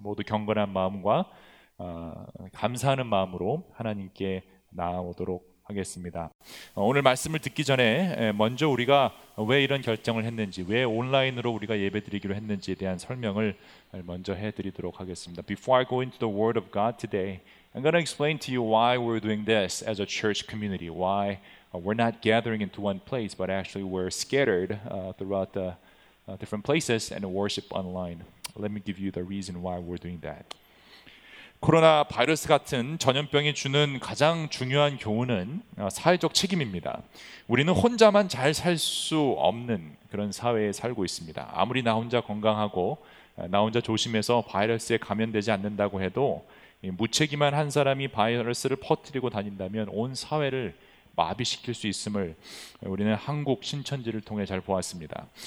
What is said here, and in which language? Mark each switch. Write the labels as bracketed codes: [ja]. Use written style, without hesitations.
[ko] 모두 경건한 마음과 감사하는 마음으로 하나님께 나아오도록 하겠습니다. 오늘 말씀을 듣기 전에 먼저 우리가 왜 이런 결정을 했는지, 왜 온라인으로 우리가 예배드리기로 했는지에 대한 설명을 먼저 해드리도록 하겠습니다. [en] Before I go into the Word of God today, I'm going to explain to you why we're doing this as a church community. Why we're not gathering into one place, but actually we're scattered throughout the different places and worship online. Let me give you the reason why we're doing that. [ko] 코로나 바이러스 같은 전염병이 주는 가장 중요한 교훈은 사회적 책임입니다. 우리는 혼자만 잘 살 수 없는 그런 사회에 살고 있습니다. 아무리 나 혼자 건강하고 나 혼자 조심해서 바이러스에 감염되지 않는다고 해도 무책임한 한 사람이 바이러스를 퍼뜨리고 다닌다면 온 사회를 마비시킬 수 있음을 우리는 한국 신천지를 통해 잘 보았습니다.